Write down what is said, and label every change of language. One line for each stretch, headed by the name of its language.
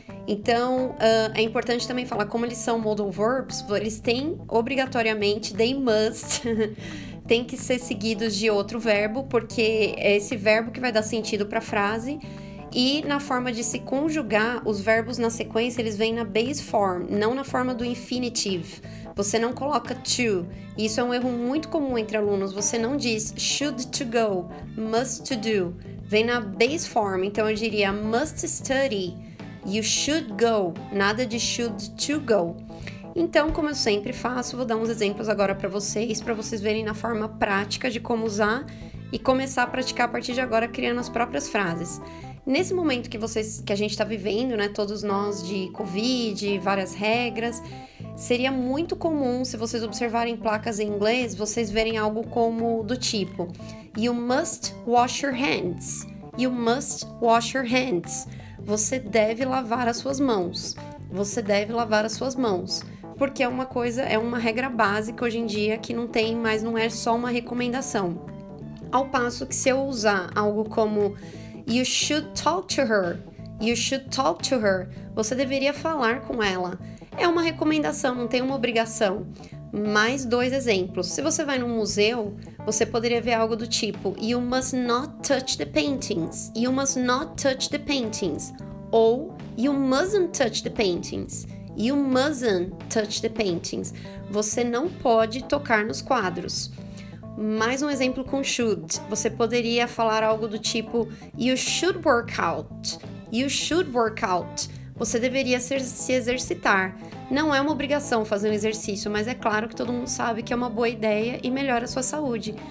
Portuguese: Então, é importante também falar, como eles são modal verbs, eles têm, obrigatoriamente,
English: they must,
Portuguese: tem que ser seguidos de outro verbo, porque é esse verbo que vai dar sentido para a frase. E na forma de se conjugar, os verbos na sequência, eles vêm na base form, não na forma do infinitive. Você não coloca to. Isso é um erro muito comum entre alunos. Você não diz
English: should to go, must to do.
Portuguese: Vem na base form. Então, eu diria
English: must study, you should go.
Portuguese: Nada de
English: should to go.
Portuguese: Então, como eu sempre faço, vou dar uns exemplos agora para vocês verem na forma prática de como usar e começar a praticar a partir de agora, criando as próprias frases. Nesse momento que a gente está vivendo, né, todos nós de Covid, várias regras, seria muito comum, se vocês observarem placas em inglês, vocês verem algo como do tipo
English: you must wash your hands. You must wash your hands.
Portuguese: Você deve lavar as suas mãos. Você deve lavar as suas mãos. Porque é uma coisa, é uma regra básica hoje em dia que não tem, mas não é só uma recomendação. Ao passo que se eu usar algo como
English: you should talk to her. You should talk to her.
Portuguese: Você deveria falar com ela. É uma recomendação, não tem uma obrigação. Mais dois exemplos. Se você vai num museu, você poderia ver algo do tipo
English: you must not touch the paintings. You must not touch the paintings. Ou you mustn't touch the paintings. You mustn't touch the paintings.
Portuguese: Você não pode tocar nos quadros. Mais um exemplo com should. Você poderia falar algo do tipo
English: you should work out. You should work out.
Portuguese: Você deveria se exercitar. Não é uma obrigação fazer um exercício, mas é claro que todo mundo sabe que é uma boa ideia e melhora a sua saúde.